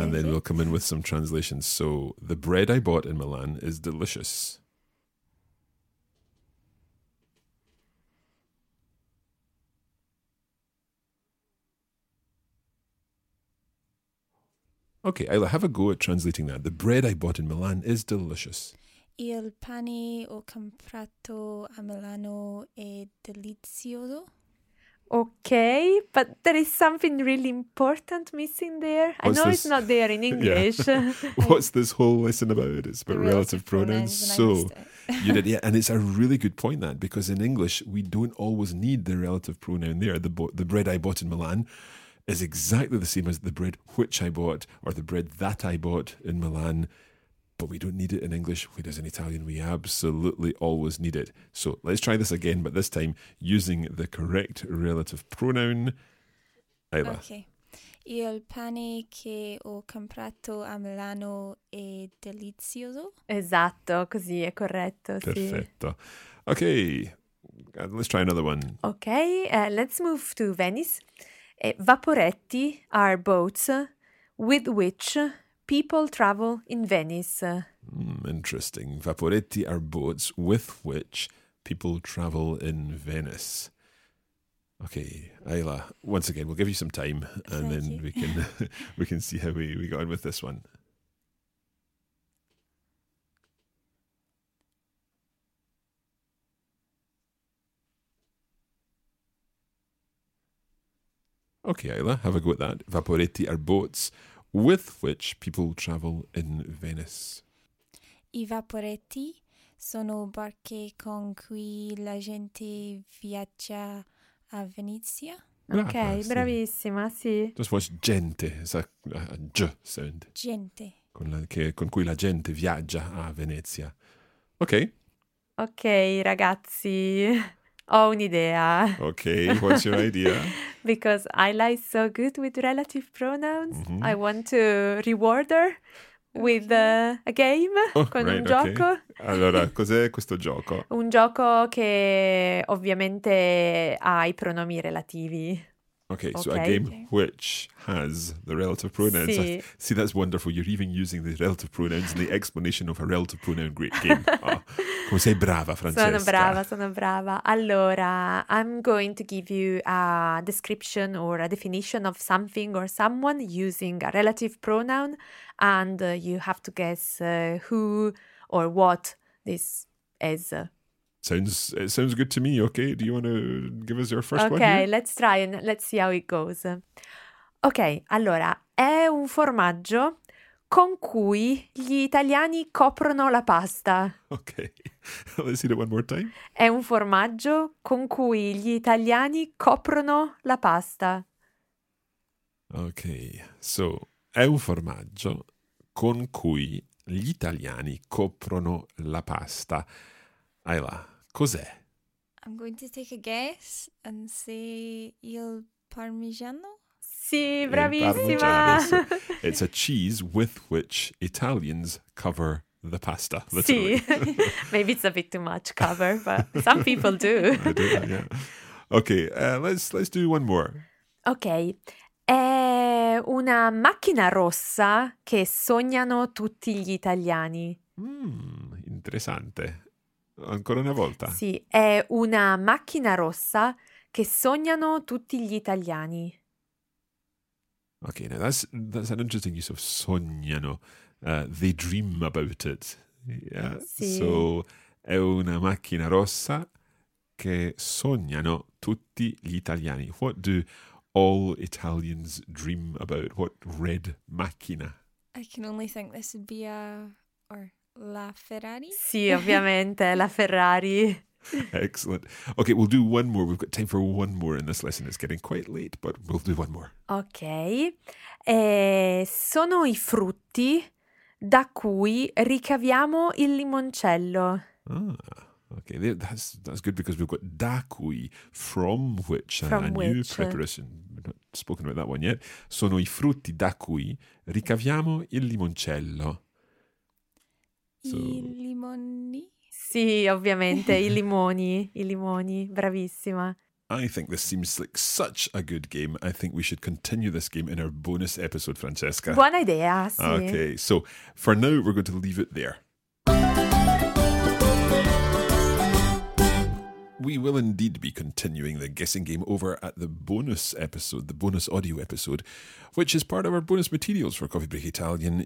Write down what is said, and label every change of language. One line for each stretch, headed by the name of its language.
English: And then we'll come in with some translations. So, the bread I bought in Milan is delicious. Okay, Ayla, have a go at translating that. The bread I bought in Milan is delicious.
Italian: Il pane ho comprato a Milano è delizioso.
English: Okay, but there is something really important missing there. What's I know this? It's not there in English. What's this whole lesson about? It's about relative pronouns. So, you did, yeah, and it's a really good point that because in English we don't always need the relative pronoun there. The bread I bought in Milan is exactly the same as the bread which I bought or the bread that I bought in Milan. But we don't need it in English. We do in Italian. We absolutely always need it. So let's try this again, but this time using the correct relative pronoun. Ayla. Okay.
Italian: Il pane che ho comprato a Milano è delizioso. Esatto, così è corretto. Perfetto. Sì.
English: Okay, let's try another one. Okay, let's move to Venice. Vaporetti are boats with which people travel in Venice. Interesting. Vaporetti are boats with which people travel in Venice. Okay, Ayla, once again, we'll give you some time and then you. We can we can see how we got on with this one. Okay, Ayla, have a go at that. Vaporetti are boats with which people travel in Venice.
Italian: I vaporetti sono barche con cui la gente viaggia a Venezia. Ok, sì. Bravissima, sì.
English: Just watch gente, it's a G sound.
Italian: Gente. Con cui la gente viaggia a Venezia. Ok. Ok, ragazzi. Ho un'idea.
English: Okay, what's your idea? Because Ayla is so good with relative pronouns, mm-hmm. I want to reward her with a game,
Italian: un gioco. Okay. Allora, cos'è questo gioco? Un gioco che ovviamente ha i pronomi relativi.
English: Okay, so a game which has the relative pronouns.
Italian: Sì.
English: See, that's wonderful. You're even using the relative pronouns in the explanation of a relative pronoun. Great game.
Italian: Oh, come sei brava, Francesca. Sono brava, sono brava.
English: Allora, I'm going to give you a description or a definition of something or someone using a relative pronoun, and you have to guess who or what this is. It sounds good to me. Okay, do you want to give us your first okay, one? Okay, let's try and let's see how it goes.
Italian: Okay, allora, è un formaggio con cui gli italiani coprono la pasta.
English: Okay, let's see it one more time.
Italian: È un formaggio con cui gli italiani coprono la pasta. Okay, so, è un formaggio con cui gli italiani coprono la pasta. Ayla, cos'è?
English: I'm going to take a guess and say il parmigiano.
Italian: Sì, bravissima!
English: So it's a cheese with which Italians cover the pasta, literally. Sì, maybe it's a bit too much cover, but some people do. I do, yeah. Okay, let's do one more.
Italian: Okay, è una macchina rossa che sognano tutti gli italiani. Interessante. Ancora una volta. Sì, è una macchina rossa che sognano tutti gli italiani.
English: Ok, now that's an interesting use of sognano. They dream about it. Yeah.
Italian: Sì. So, è una macchina rossa che sognano tutti gli italiani.
English: What do all Italians dream about? What red macchina? I can only think this would be a... Or... La Ferrari?
Italian: Sì, ovviamente, la Ferrari.
English: Excellent. Okay, we'll do one more. We've got time for one more in this lesson. It's getting quite late, but we'll do one more. Okay.
Italian: Sono i frutti da cui ricaviamo il limoncello.
English: Okay, that's good because we've got da cui, from which, new preparation. We've not spoken about that one yet.
Italian: Sono i frutti da cui ricaviamo il limoncello. I limoni? Sì, ovviamente, i limoni, bravissima.
English: I think this seems like such a good game. I think we should continue this game in our bonus episode, Francesca.
Italian: Buona idea, sì.
English: Okay, so for now we're going to leave it there. We will indeed be continuing the guessing game over at the bonus episode, the bonus audio episode, which is part of our bonus materials for Coffee Break Italian.